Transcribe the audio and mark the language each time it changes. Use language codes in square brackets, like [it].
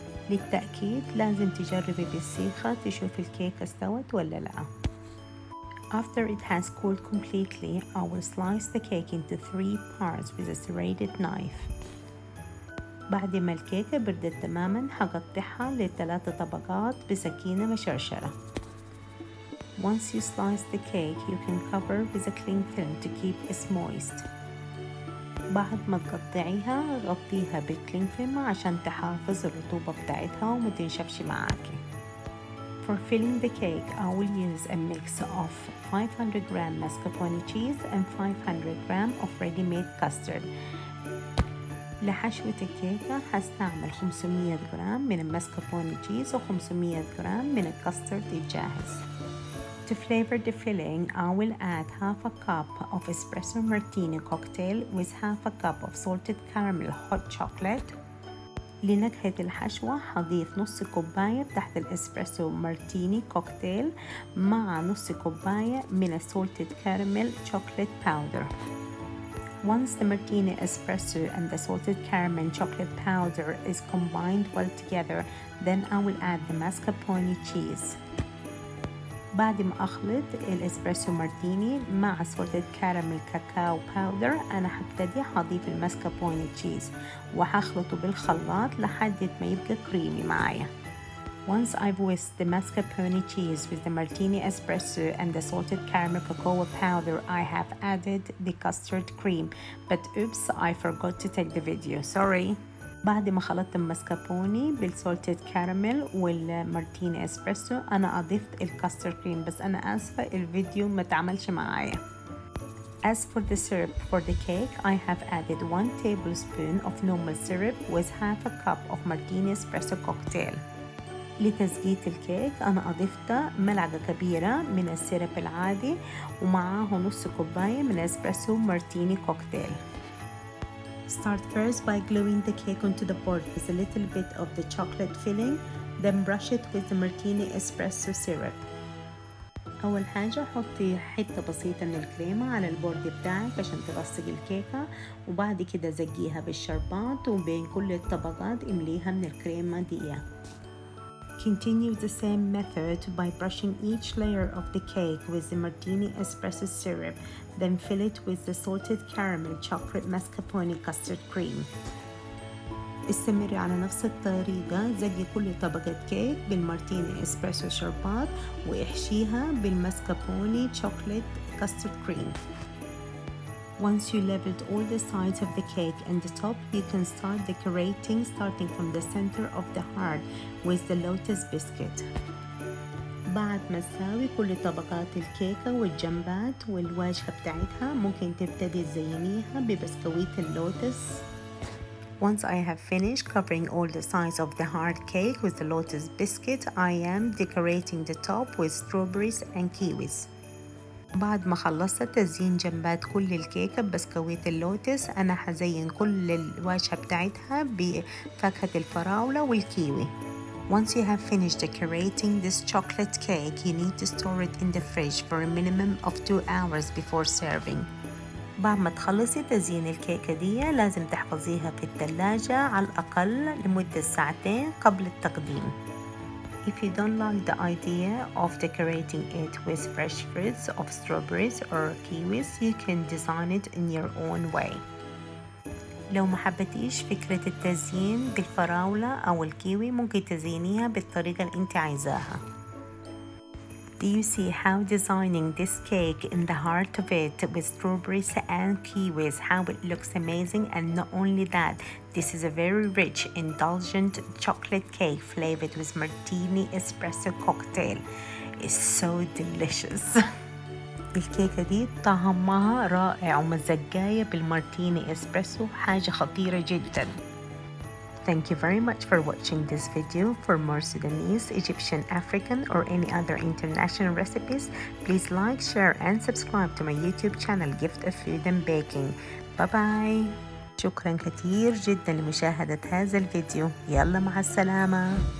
[ar] للتأكيد لازم تجربي بالسيخة تشوف الكيكة استوت ولا لا. [en] After it has cooled completely, I will slice the cake into 3 parts with a serrated knife. [ar] بعد ما الكيكة بردت تماما هقطعها لثلاث طبقات بسكينة مشرشرة. [en] Once you slice the cake, you can cover with a cling film to keep it moist. [ar] بعد ما تقطعيها غطيها بالكلينج فيلم عشان تحافظ الرطوبة بتاعتها وما تنشفش معاكي. [en] For filling the cake, I will use a mix of 500 gram mascarpone cheese and 500 gram of ready-made custard. [ar] لحشوة الكيكة هستعمل 500 جرام من الماسكربوني تشيز و 500 جرام من الكاسترد الجاهز. [en] To flavor the filling, I will add half a cup of espresso martini cocktail with half a cup of salted caramel hot chocolate. [ar] لنكهة الحشوة هضيف نص كوباية تحت الاسبريسو مارتيني كوكتيل مع نص كوباية من السولتد كاراميل شوكليت باودر. [en] Once the martini espresso and the salted caramel chocolate powder is combined well together, then I will add the mascarpone cheese. [ar] بعد ما أخلط الإسبريسو مارتيني مع [en] salted caramel cacao powder, [ar] أنا هبتدي هضيف الماسكربوني تشيز وهخلطه بالخلاط لحد ما يبقى كريمي معايا. [en] Once I've whisked the mascarpone cheese with the martini espresso and the salted caramel cocoa powder, I have added the custard cream. But oops, I forgot to take the video. Sorry. [ar] بعد ما خلطت المسكربوني بالسولتد كاراميل والمارتيني اسبريسو انا اضفت الكاسترد كريم، بس انا اسفه الفيديو ما اتعملش معايا. [en] As for the syrup for the cake, I have added 1 tablespoon of normal syrup with half a cup of martini espresso cocktail. [ar] لتزييت الكيك أنا أضفت ملعقة كبيرة من السيرب العادي ومعاه نص كوباية من اسبريسو مارتيني كوكتيل. [en] Start first by gluing the cake onto the board with a little bit of the chocolate filling, then brush it with the martini espresso syrup. [ar] أول حاجة حطي حتة بسيطة من الكريمة على البورد بتاعك عشان تلصق الكيكة وبعد كده زجيها بالشربات وبين كل الطبقات امليها من الكريمة دي. [en] Continue the same method by brushing each layer of the cake with the martini espresso syrup, then fill it with the salted caramel chocolate mascarpone custard cream. [ar] استمري على نفس الطريقة زجي كل طبقة كيك بالمارتيني اسبريسو شربات واحشيها بالمسكابوني شوكلت كاسترد كريم. [en] Once you leveled all the sides of the cake and the top, you can start decorating starting from the center of the heart with the lotus biscuit. [ar] بعد ما تساوي كل طبقات الكيكة والجنبات والواجهة بتاعتها ممكن تبتدي تزينيها ببسكويت اللوتس. [en] Once I have finished covering all the sides of the hard cake with the lotus biscuit, I am decorating the top with strawberries and kiwis. [ar] بعد ما خلصت تزيين جنبات كل الكيكة ببسكويت اللوتس، أنا حزين كل الواجهة بتاعتها بفاكهة الفراولة والكيوي. [en] Once you have finished decorating this chocolate cake, you need to store it in the fridge for a minimum of 2 hours before serving. [ar] بعد ما تخلصي تزيين الكيكة دي لازم تحفظيها في الثلاجة على الأقل لمدة ساعتين قبل التقديم. [en] If you don't like the idea of decorating it with fresh fruits of strawberries or kiwis, you can design it in your own way. [ar] لو ما حبتيش فكرة التزيين بالفراولة أو الكيوي ممكن تزينيها بالطريقة اللي أنت عايزاها. [en] Do you see how designing this cake in the heart of it with strawberries and kiwis, how it looks amazing? And not only that, this is a very rich, indulgent chocolate cake flavored with martini espresso cocktail. It's so delicious. [ar] الكيكة دي طعمها رائع ومزجاية بالمارتيني اسبريسو حاجة خطيرة جدا. [en] Thank you very much for watching this video. For more Sudanese, Egyptian, African, or any other international recipes, please like, share, and subscribe to my YouTube channel, Gift of Food and Baking. Bye-bye. [ar] شكرا كثير جدا لمشاهدة هذا الفيديو. يلا مع السلامة.